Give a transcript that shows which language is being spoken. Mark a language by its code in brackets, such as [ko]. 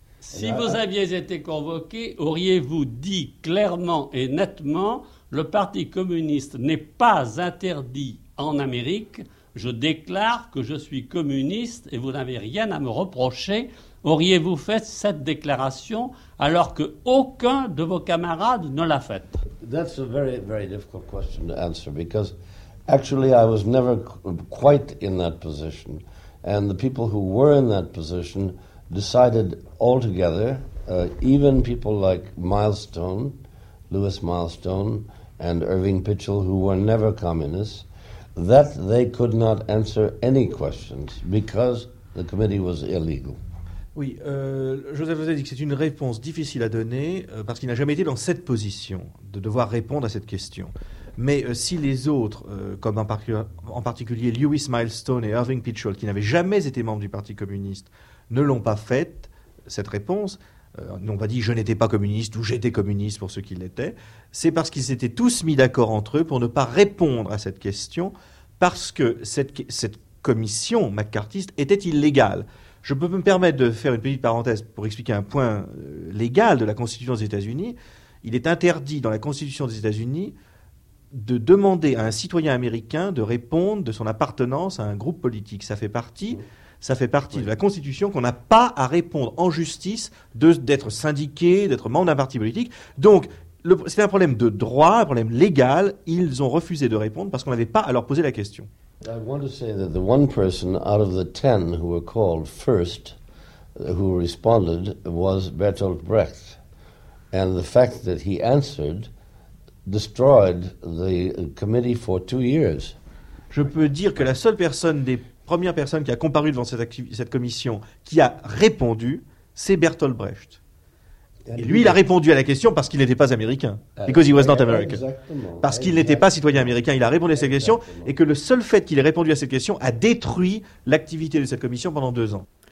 [fr] Si vous aviez été convoqué, auriez-vous dit clairement et nettement « Le Parti communiste n'est pas interdit en Amérique, je déclare que je suis communiste et vous n'avez rien à me reprocher » Auriez-vous fait cette déclaration alors qu'aucun de vos camarades ne l'a faite ? [en] That's a very, very difficult question to answer because actually I was never quite in that position and the people who were in that position decided altogether, even people like Milestone, Louis Milestone, and Irving Pichel, who were never communists, that they could not answer any questions because the committee was illegal. [fr] Oui, Joseph Losey dit que c'est une réponse difficile à donner parce qu'il n'a jamais été dans cette position de devoir répondre à cette question. Mais si les autres, comme en particulier Louis Milestone et Irving Pichel, qui n'avaient jamais été membres du Parti communiste, ne l'ont pas faite, cette réponse, n'ont pas dit « je n'étais pas communiste » ou « j'étais communiste » pour ceux qui l'étaient, c'est parce qu'ils s'étaient tous mis d'accord entre eux pour ne pas répondre à cette question parce que cette commission McCarthyiste était illégale. Je peux me permettre de faire une petite parenthèse pour expliquer un point légal de la Constitution des États-Unis. Il est interdit dans la Constitution des États-Unis de demander à un citoyen américain de répondre de son appartenance à un groupe politique. Ça fait partie oui. de la Constitution qu'on n'a pas à répondre en justice d'être syndiqué, d'être membre d'un parti politique. Donc, c'est un problème de droit, un problème légal. Ils ont refusé de répondre parce qu'on n'avait pas à leur poser la question. [en] I want to say that the one person out of the ten who were called first, who responded, was Bertolt Brecht. And the fact that he answered destroyed the committee for two years. [fr] Je peux dire que la seule personne, des premières personnes qui a comparu devant cette commission, qui a répondu, c'est Bertolt Brecht. Et lui, il a répondu à la question parce qu'il n'était pas américain. [en] Because he was not American. [fr] Parce qu'il n'était pas citoyen américain, il a répondu à cette question. Et que le seul fait qu'il ait répondu à cette question a détruit l'activité de cette commission pendant deux ans.